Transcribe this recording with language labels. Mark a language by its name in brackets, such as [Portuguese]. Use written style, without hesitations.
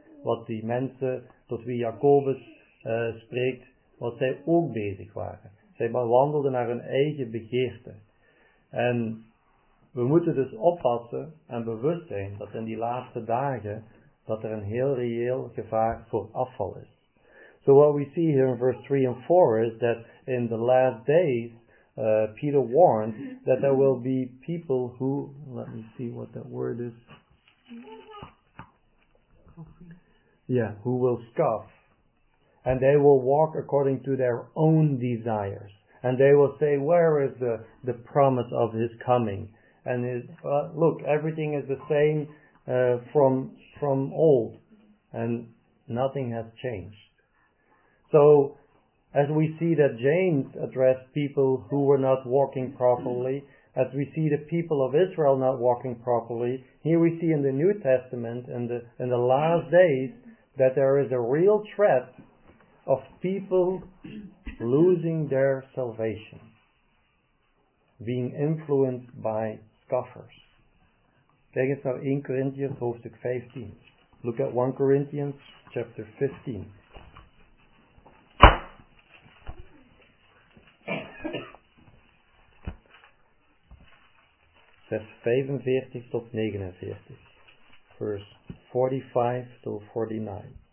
[Dutch] Wat die mensen tot wie Jacobus spreekt, wat zij ook bezig waren. Zij wandelden naar hun eigen begeerte. En we moeten dus oppassen en bewust zijn dat in die laatste dagen dat er een heel reëel gevaar voor afval is. [English] So what we see here in verse 3 and 4 is that in the last days, Peter warned that there will be people who, let me see what that word is. Yeah, who will scoff. and they will walk according to their own desires. And they will say, where is the promise of his coming? And his, look, everything is the same from old, and nothing has changed. So, as we see that James addressed people who were not walking properly, as we see the people of Israel not walking properly, here we see in the New Testament, in the last days, that there is a real threat of people losing their salvation, being influenced by scoffers. [Dutch] Kijk eens naar 1 Corinthians hoofdstuk 15. [English] Look at 1 Corinthians chapter 15. [Dutch] Vers 45 tot 49. Vers 45 tot 49.